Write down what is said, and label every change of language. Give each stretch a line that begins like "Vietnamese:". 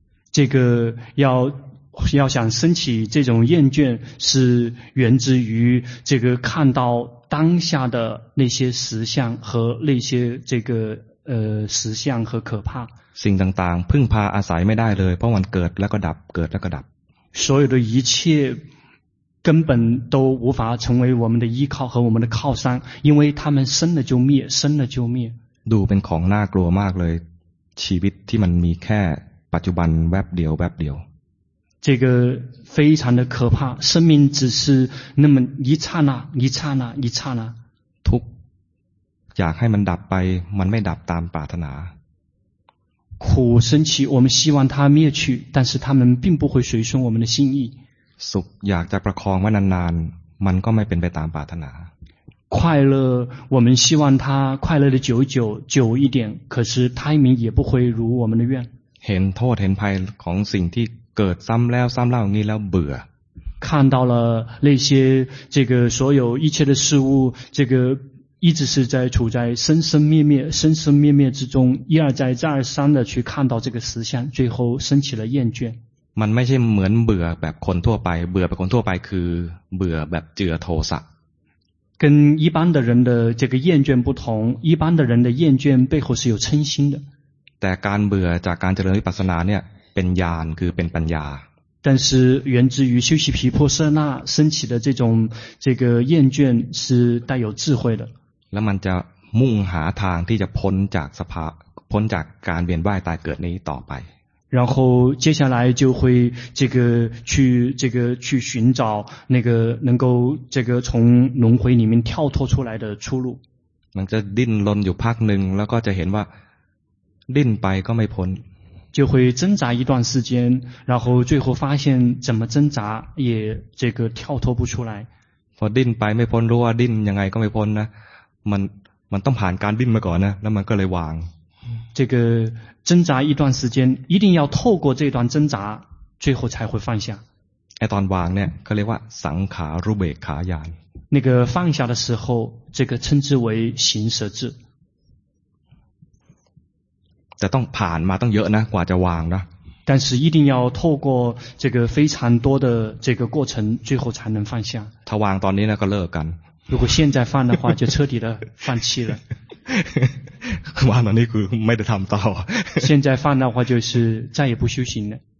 Chinese: 这个要想升起这种厌倦是源自于这个看到当下的那些实相和那些这个实相和可怕
Thai: สิ่งต่างๆพึ่งพาอาศัยไม่ได้เลยเพราะมันเกิดแล้วก็ดับเกิดแล้วก็ดับ
Chinese: 所有的一切根本都无法成为我们的依靠和我们的靠山因为他们生了就灭生了就灭
Thai: ดูเป็นของน่ากลัวมากเลยชีวิตที่มันมีแค่ปัจจุบันแวบเดียวแวบเดียว
Chinese: 这个非常的可怕生命只是那么一刹那一刹那一刹那
Thai: ทุกอยากให้มันดับไปมันไม่ดับตามปรารถนา
Chinese: 苦升起我们希望它灭去但是它们并不会随顺我们的心意
Thai: สุขอยากจะประคองไว้นานๆมันก็ไม่เป็นไปตามปรารถนา
Chinese: 快乐我们希望它快乐的久久久一点可是它们也不会如我们的愿
Thai: เห็นโทษเห็นภัยของสิ่งที่เกิดซ้ำแล้วซ้ำเล่าอย่างนี้แล้วเบื่อ
Chinese: 看到了那些这个所有一切的事物这个一直是在处在生生灭灭生生灭灭之中一而再再而三的去看到这个实相最后生起了厌倦
Thai: มันไม่ใช่เหมือนเบื่อแบบคนทั่วไปเบื่อแบบคนทั่วไปคือเบื่อแบบเจือโทสะ
Chinese: 跟一般的人的这个厌倦不同一般的人的厌倦背后是有嗔心的
Thai: แต่การเบื่อจากการเจริญวิปัสสนาเนี่ยเป็นญาณคือเป็นปัญญา
Chinese: 但是源自于修习毗婆舍那升起的这种这个厌倦是带有智慧的
Thai: แล้วมันจะมุ่งหาทางที่จะพ้นจากสภาพ้นจากการเวียนว่ายตายเกิดนี้ต่อไป
Chinese: 然后接下来就会这个去寻找那个能够这个从轮回里面跳脱出来的出路
Thai: มันจะดิ้นรนอยู่พักนึงแล้วก็จะเห็นว่าดิ้นไปก็ไม่พ้น
Chinese: 就会挣扎一段时间然后最后发现怎么挣扎也这个跳脱不出来
Thai: พอดิ้นไปไม่พ้นรู้ว่าดิ้นยังไงก็ไม่พ้นนะมันต้องผ่านการดิ้นมาก่อนนะแล้วมันก็เลยวาง
Chinese: 这个挣扎一段时间一定要透过这段挣扎最后才会放下
Thai: ไอ้ตอนวางเนี่ยก็เรียกว่าสังขารุเบกขาญาณ
Chinese: 那个放下的时候这个称之为行舍智
Thai: แต่ต้องผ่านมาต้องเยอะนะกว่าจะวางนะ
Chinese: 但是一定要透过这个非常多的这个过程最后才能放下
Thai: ถ้าวางตอนนี้นะก็เลิกกัน
Chinese: 如果现在放的话就彻底的放弃了
Thai: วางตอนนี้คือไม่ได้ทำต่อ
Chinese: 现在放的话就是再也不修行了